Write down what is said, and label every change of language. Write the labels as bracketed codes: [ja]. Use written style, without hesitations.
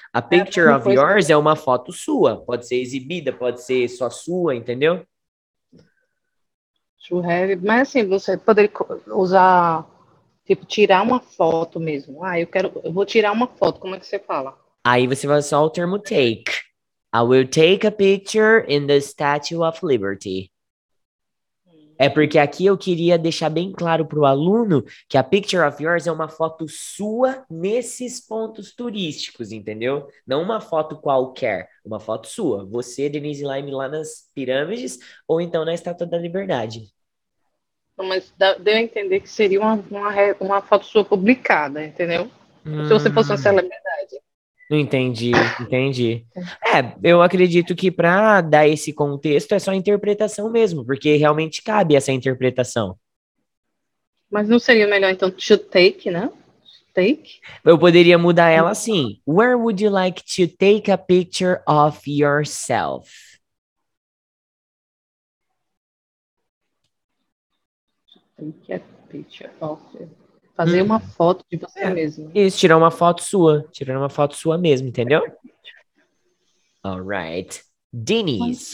[en] A picture of yours [pt] é uma foto sua, pode ser exibida, pode ser só sua, entendeu? [en] To have, [pt] mas assim, você poderia usar, tipo, tirar uma foto mesmo. Ah, eu vou tirar uma foto, como é que você fala? Aí você vai usar o termo take. [en] I will take a picture in the Statue of Liberty. [pt] É porque aqui eu queria deixar bem claro para o aluno que a picture of yours é uma foto sua nesses pontos turísticos, entendeu? Não uma foto qualquer, uma foto sua. Você, Denise Lime, lá nas pirâmides ou então na Estátua da Liberdade. Mas deu a entender que seria uma foto sua publicada, entendeu? Se você fosse uma celebridade. Não entendi, entendi. É, eu acredito que para dar esse contexto é só interpretação mesmo, porque realmente cabe essa interpretação. Mas não seria melhor, então, to take, né? Take? Eu poderia mudar ela assim. [en] Where would you like to take a picture of yourself? Take a picture of yourself. [pt] Fazer uma foto de você mesmo. Isso, tirar uma foto sua mesmo, entendeu? [en] All right. [pt] Denise.